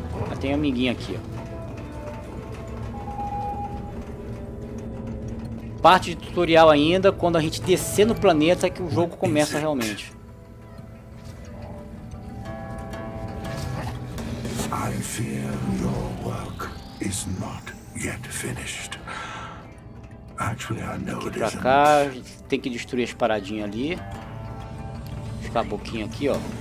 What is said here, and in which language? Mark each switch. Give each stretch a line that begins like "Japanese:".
Portuguese: Já tem amiguinho aqui, ó. Parte de tutorial ainda, quando a gente descer no planeta é que o jogo começa realmente.
English: I fear your work is not yet finished. Actually, I know it isn't.
Portuguese: Cá, tem que destruir as paradinhas ali. Ficar um pouquinho aqui, ó.